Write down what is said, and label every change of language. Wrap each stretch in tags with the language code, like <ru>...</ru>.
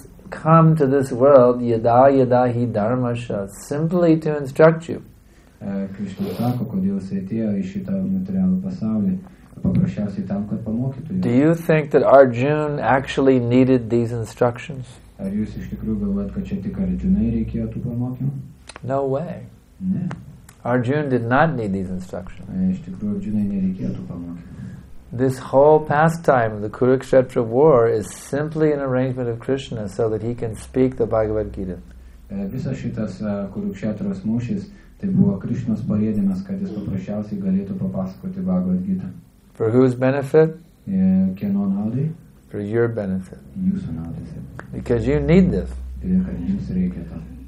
<en>come to this world</en> <sa>yada yada hi dharma sha,</sa> <en>simply to instruct you.</en> <lt>Krishna sako, kodėl jis atėjo į šitą materialų pasaulį, paprasčiausiai tam, kad pamokytų jį.</lt> <en>Do you think that Arjuna actually needed these instructions?</en> <lt>Ar jūs iš tikrųjų galvojat, kad čia tik Arjunai reikėjo tų pamokymų?</lt> <en>No way.</en> <lt>Ne.</lt> <en>Arjuna did not need these instructions.</en> <lt>Iš tikrųjų Arjunai nereikėjo tų pamokymų.</lt> <en>This whole pastime of the Kurukshetra war is simply an arrangement of Krishna so that he can speak the Bhagavad Gita.</en> <lt>Visas šitas Kurukshetras mūšis tai buvo Krishnos parėdimas, kad jis paprasčiausiai galėtų papasakoti Bhagavad Gita.</lt> <en>For whose benefit?</en> <lt>Kieno naudai?</lt> <en>For your benefit.</en> <lt>Jūsų naudai.</lt> <en>Because you need this.</en> <lt>Kad jums reikia to.</lt>